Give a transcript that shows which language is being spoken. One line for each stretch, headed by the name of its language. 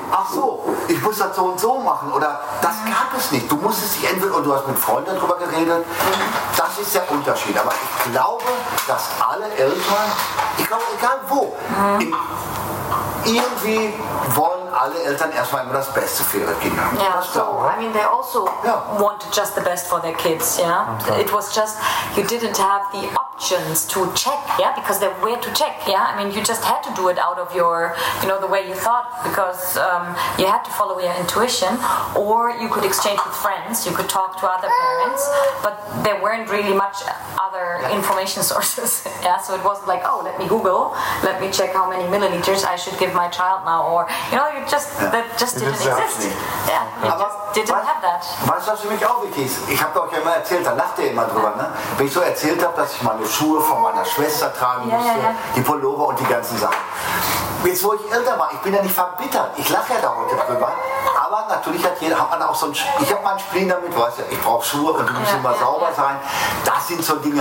German: Ach so, ich muss das so und so machen. Oder das gab es nicht. Du musstest dich entweder, und du hast mit Freunden darüber geredet. Das ist der Unterschied. Aber ich glaube, dass alle Eltern, ich glaube, egal wo, irgendwie wollen alle Eltern erstmal immer das Beste für ihre Kinder.
English: Ja, so, I mean, they also want just the best for their kids, yeah? Okay. It was just, you didn't have the options to check, yeah, because there were to check, yeah. I mean, you just had to do it out of your, you know, the way you thought, because you had to follow your intuition, or you could exchange with friends, you could talk to other parents, but there weren't really much other information sources, yeah. So it wasn't like, oh, let me Google, let me check how many milliliters I should give my child now, or you know, you just that just didn't exist, yeah.
German: Weißt du, was für mich auch wichtig ist? Ich habe doch immer erzählt, da lacht ihr immer drüber, ne? Wenn ich so erzählt habe, dass ich meine Schuhe von meiner Schwester tragen musste, die Pullover und die ganzen Sachen. Jetzt, wo ich älter war, ich bin ja nicht verbittert. Ich lache ja da heute drüber. Aber natürlich hat man auch so ein Spiel. Ich habe mal ein Spiel damit, weißt du, ich brauche Schuhe und die müssen immer sauber sein. Das sind so Dinge.